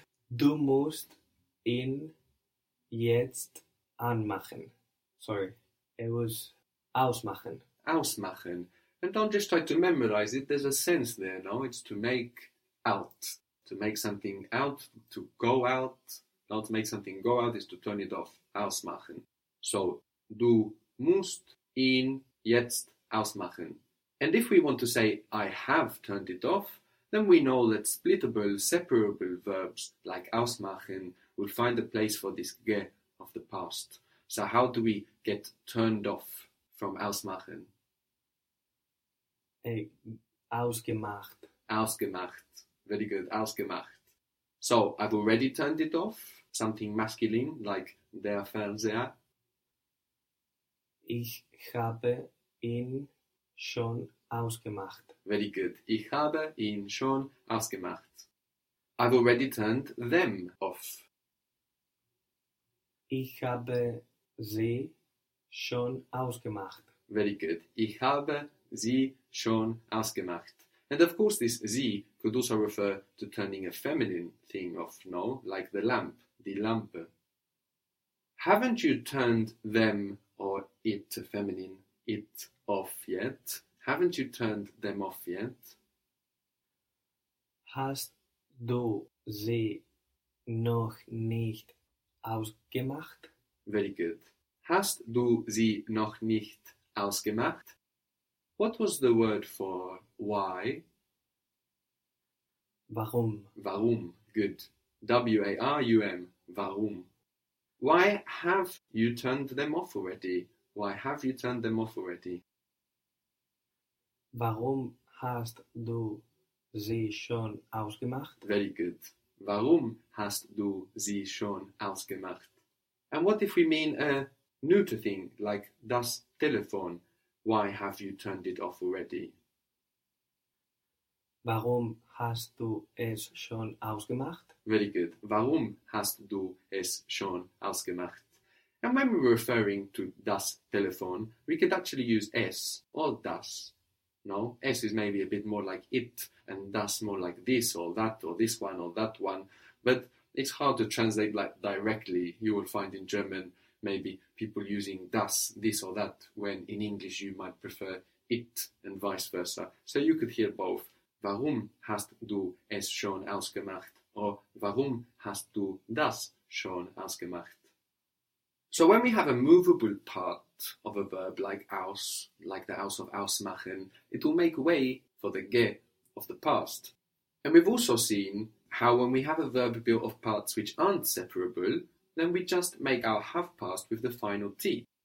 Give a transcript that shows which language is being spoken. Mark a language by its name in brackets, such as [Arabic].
[German] Du musst in jetzt anmachen. [English] Sorry. It was ausmachen. [German] Ausmachen. [English] And don't just try to memorize it. There's a sense there, no? It's to make out. To make something out, to go out. Not to make something go out is to turn it off. [German] Ausmachen. So, du musst in jetzt ausmachen. [English] And if we want to say, I have turned it off, then we know that splittable, separable verbs like ausmachen will find a place for this ge of the past. So how do we get turned off from ausmachen? [German] Ausgemacht. Ausgemacht. [English] Very good. [German] Ausgemacht. [English] So I've already turned it off. Something masculine like der Fernseher. [German] Ich habe ihn schon ausgemacht. [English] Very good. [German] Ich habe ihn schon ausgemacht. [English] I've already turned them off. [German] Ich habe sie schon ausgemacht. [English] Very good. [German] Ich habe sie schon ausgemacht. [English] And of course this sie could also refer to turning a feminine thing off, no? Like the lamp, die Lampe. Haven't you turned them or it to feminine it off yet? Haven't you turned them off yet? [German] Hast du sie noch nicht ausgemacht? [English] Very good. [German] Hast du sie noch nicht ausgemacht? [English] What was the word for why? [German] Warum. Warum. Good. W-A-R-U-M. Warum. [English] Why have you turned them off already? Why have you turned them off already? [German] Warum hast du sie schon ausgemacht? [English] Very good. [German] Warum hast du sie schon ausgemacht? [English] And what if we mean a neuter thing, like das Telefon? Why have you turned it off already? [German] Warum hast du es schon ausgemacht? [English] Very good. [German] Warum hast du es schon ausgemacht? [English] And when we're referring to das Telefon, we could actually use es or das. No, es is maybe a bit more like it, and das more like this or that or this one or that one. But it's hard to translate like directly. You will find in German maybe people using das, this or that, when in English you might prefer it and vice versa. So you could hear both. [German] Warum hast du es schon ausgemacht or warum hast du das schon ausgemacht? [English] So when we have a movable part of a verb like aus, like the aus of ausmachen, it will make way for the ge of the past. And we've also seen how when we have a verb built of parts which aren't separable, then we just make our have past with the final T.